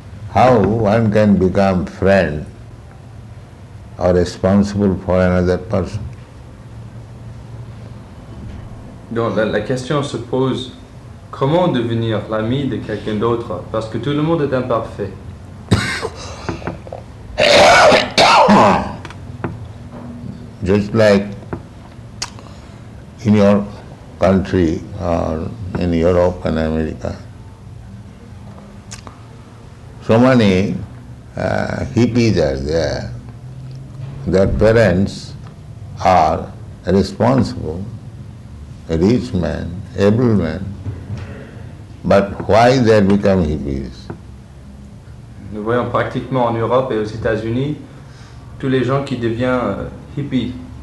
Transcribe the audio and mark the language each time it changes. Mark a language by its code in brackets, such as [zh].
[en] How one can become friend or responsible for another person? [fr] Donc la question se pose, comment devenir l'ami de quelqu'un d'autre? Parce que tout le monde est imparfait. [en] Just like in your country or in Europe and America. So many hippies are there. Their parents are responsible, rich men, able men. But why they become hippies? [fr] Nous voyons pratiquement en Europe et aux États-Unis tous les gens qui deviennent hippies.